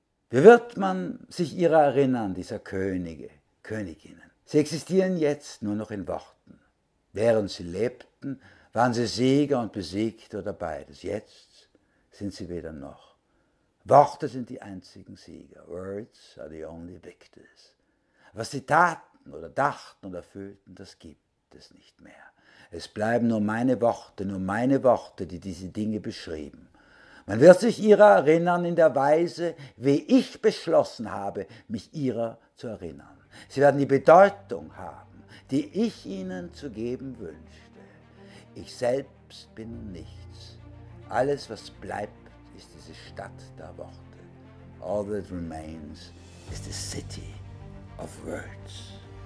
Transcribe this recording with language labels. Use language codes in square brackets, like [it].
[de] Wie wird man sich ihrer erinnern, dieser Könige, Königinnen? Sie existieren jetzt nur noch in Worten. Während sie lebten, waren sie Sieger und Besiegte oder beides. Jetzt sind sie weder noch. Worte sind die einzigen Sieger. [en] Words are the only victors. [de] Was sie taten oder dachten oder fühlten, das gibt es nicht mehr. Es bleiben nur meine Worte, die diese Dinge beschrieben. Man wird sich ihrer erinnern in der Weise, wie ich beschlossen habe, mich ihrer zu erinnern. Sie werden die Bedeutung haben, die ich ihnen zu geben wünschte. Ich selbst bin nichts. Alles, was bleibt, ist diese Stadt der Worte. [en] All that remains is the city of words.